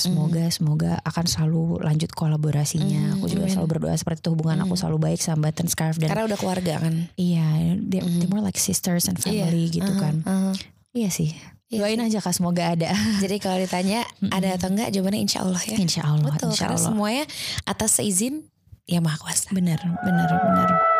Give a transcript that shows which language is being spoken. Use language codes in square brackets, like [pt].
[id] Semoga semoga akan selalu lanjut kolaborasinya. Aku juga selalu berdoa seperti itu, hubungan aku selalu baik sama Button Scarf. Dan karena udah keluarga kan. Iya, [en] they're more like sisters and family [id] gitu kan. Iya sih. Doain aja kak, semoga ada. Jadi kalau ditanya ada atau enggak, jawabannya insya Allah ya. Insya Allah. Betul, insya Allah. Karena semuanya atas seizin Yang Maha Kuasa. Benar, benar, benar.